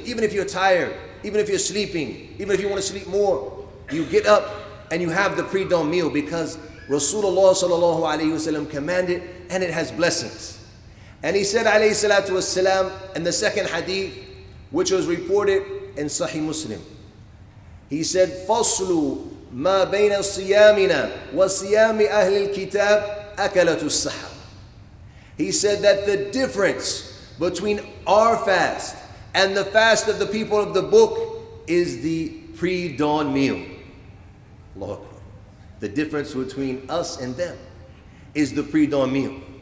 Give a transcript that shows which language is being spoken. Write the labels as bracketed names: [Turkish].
[English] Even if you're tired, even if you're sleeping, even if you want to sleep more, you get up and you have the pre-dawn meal because Rasulullah sallallahu alayhi wa sallam commanded and it has blessings. And he said alayhi salatu wasalam in the second hadith, which was reported in Sahih Muslim. He said, [Arabic] فَصْلُ مَا بَيْنَ صِيَامِنَا وَصِيَامِ أَهْلِ الْكِتَابِ أَكَلَةُ السَّحَرِ. [English] He said that the difference between our fast and the fast of the people of the book is the pre-dawn meal. Allahu Akbar. The difference between us and them is the pre-dawn meal.